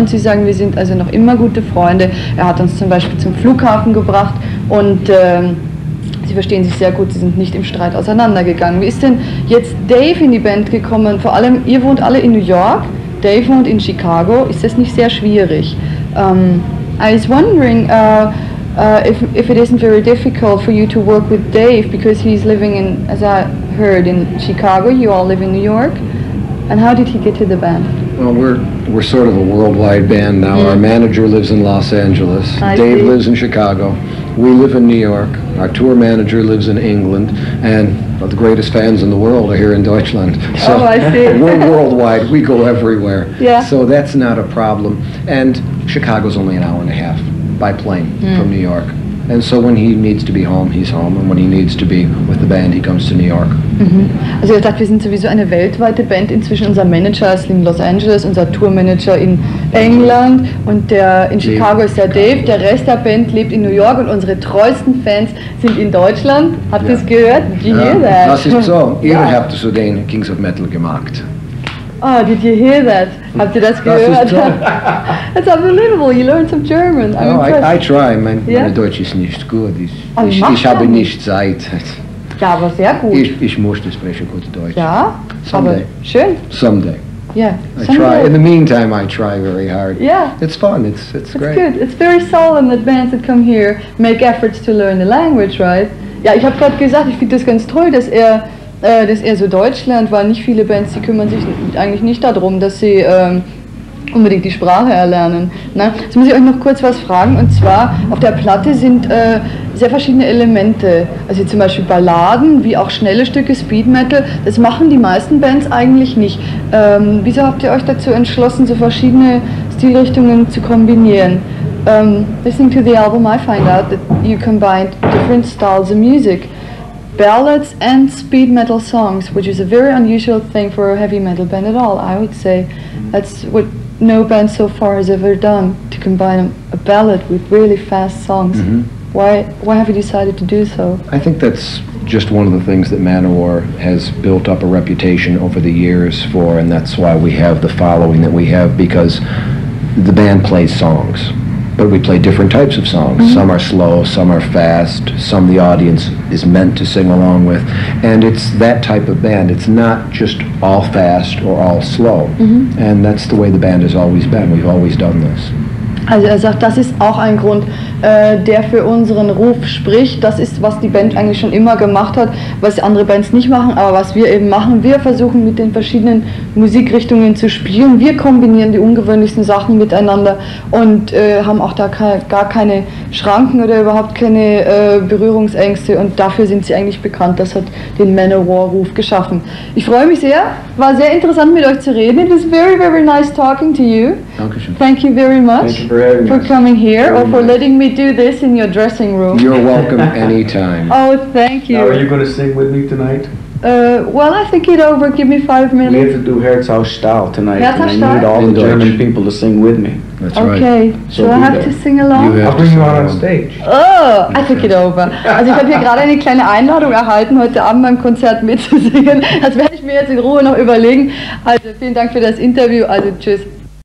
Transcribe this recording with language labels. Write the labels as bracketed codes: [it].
[de] Und sie sagen, wir sind also noch immer gute Freunde. Er hat uns zum Beispiel zum Flughafen gebracht und sie verstehen sich sehr gut, sie sind nicht im Streit auseinandergegangen. Wie ist denn jetzt Dave in die Band gekommen? Vor allem, ihr wohnt alle in New York, Dave wohnt in Chicago. Ist das nicht sehr schwierig? [en] I was wondering if it isn't very difficult for you to work with Dave, because he's living in, as I heard, in Chicago. You all live in New York. And how did he get to the band? Well, we're sort of a worldwide band now. Yeah. Our manager lives in Los Angeles. Dave lives in Chicago. We live in New York. Our tour manager lives in England, and the greatest fans in the world are here in Deutschland. So I see. We're worldwide. We go everywhere. Yeah. So that's not a problem. And Chicago's only an hour and a half by plane from New York. And so when he needs to be home, he's home. And when he needs to be with the band, he comes to New York. Mm-hmm. [de] Also, ich dachte, wir sind sowieso eine weltweite Band. Inzwischen unser Manager ist in Los Angeles, unser Tourmanager in England und der in Chicago ist der Dave. Der Rest der Band lebt in New York und unsere treuesten Fans sind in Deutschland. Habt ihr es gehört? [en] Did you hear that? [de] Das ist so. Ihr habt so den Kings of Metal gemacht. [en] Oh, did you hear that? [de] Habt ihr das gehört? Das ist toll. [en] That's unbelievable. You learned some German. I'm impressed. I try. [de] Mein Deutsch ist nicht gut. Ich habe nicht Zeit. Ja, aber sehr gut. Ich musste sprechen gut Deutsch. Ja? [en] Someday. [de] Aber schön. [en] Someday. Yeah. I try. In the meantime, I try very hard. Yeah. It's fun. It's great. It's good. It's very solemn that bands that come here make efforts to learn the language, right? [de] Ja, ich habe gerade gesagt, ich finde das ganz toll, dass er so Deutsch lernt, weil nicht viele Bands, die kümmern sich eigentlich nicht darum, dass sie unbedingt die Sprache erlernen. Na, jetzt muss ich euch noch kurz was fragen, und zwar auf der Platte sind sehr verschiedene Elemente, also zum Beispiel Balladen, wie auch schnelle Stücke, Speed Metal, das machen die meisten Bands eigentlich nicht. Wieso habt ihr euch dazu entschlossen, so verschiedene Stilrichtungen zu kombinieren? [en] Listening to the album, I find out that you combined different styles of music, ballads and speed metal songs, which is a very unusual thing for a heavy metal band at all, I would say. Mm-hmm. That's what no band so far has ever done, to combine a ballad with really fast songs. Mm-hmm. Why have you decided to do so? I think that's just one of the things that Manowar has built up a reputation over the years for, and that's why we have the following that we have, because the band plays songs, but we play different types of songs. Mm-hmm. Some are slow, some are fast, some the audience is meant to sing along with, and it's that type of band. It's not just all fast or all slow. Mm-hmm. And that's the way the band has always been. We've always done this. [de] Also er sagt, das ist auch ein Grund, der für unseren Ruf spricht. Das ist, was die Band eigentlich schon immer gemacht hat, was andere Bands nicht machen, aber was wir eben machen. Wir versuchen mit den verschiedenen Musikrichtungen zu spielen. Wir kombinieren die ungewöhnlichsten Sachen miteinander und haben auch da gar keine Schranken oder überhaupt keine Berührungsängste. Und dafür sind sie eigentlich bekannt. Das hat den Manowar-Ruf geschaffen. Ich freue mich sehr. War sehr interessant, mit euch zu reden. [en] It was very, very nice talking to you. [de] Dankeschön. [en] Thank you very much. Thank you for having for us. Coming here very or for nice. Letting me do this in your dressing room. You're welcome anytime. Oh, thank you. Now, are you going to sing with me tonight? Well, I think it over. Give me 5 minutes. We have to do Herzhausstahl tonight. Herzhausstahl? And I need all the German people to sing with me. That's okay. Right. Okay, so I have to sing along? I'll bring you out on stage. Oh, I took it over. [de] Also ich habe hier gerade eine kleine Einladung erhalten, heute Abend beim Konzert mitzusingen. Das werde ich mir jetzt in Ruhe noch überlegen. Also vielen Dank für das Interview. Also tschüss.